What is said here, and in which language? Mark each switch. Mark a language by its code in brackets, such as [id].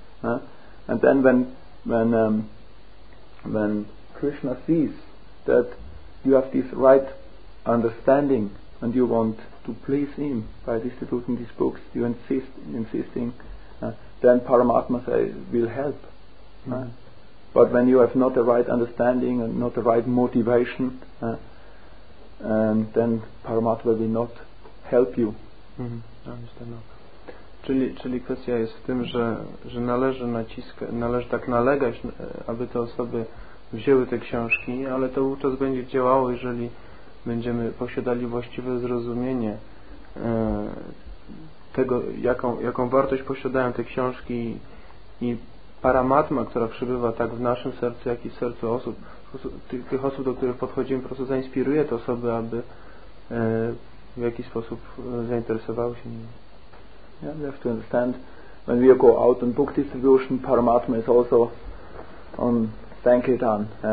[en] And then when Krishna sees that you have this right understanding and you want to please him by distributing these books, you insisting, then Paramatma will help. But when you have not the right understanding and not the right motivation, then Paramatma will not help you. I understand. [pl] Czyli kwestia jest w tym, że należy naciskać, należy tak nalegać, aby te osoby wzięły te książki, ale to wówczas będzie działało, jeżeli będziemy posiadali właściwe zrozumienie tego, jaką wartość posiadają te książki i paramatma, która przybywa tak w naszym sercu, jak i w sercu osób, tych osób, do których podchodzimy, po prostu zainspiruje te osoby, aby w jakiś sposób zainteresowały się nimi. [en] Yeah, we have to understand, when we go out on book distribution, paramatma is also on Sankirtan.